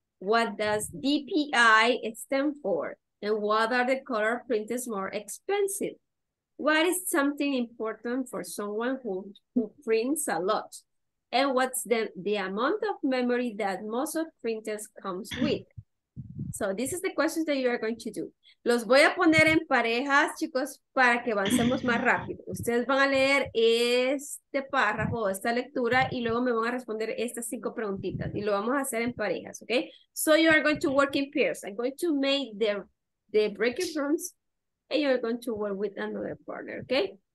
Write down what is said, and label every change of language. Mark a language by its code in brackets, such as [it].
[en] What does DPI stand for? And what are the color printers more expensive? What is something important for someone who prints a lot? And what's the amount of memory that most of printers comes with? So this is the questions that you are going to do. [es] Los voy a poner en parejas, chicos, para que avancemos más rápido. Ustedes van a leer este párrafo, esta lectura, y luego me van a responder estas cinco preguntitas. Y lo vamos a hacer en parejas, okay? [en] So you are going to work in pairs. I'm going to make the breaking rooms, and you're going to work with another partner, okay?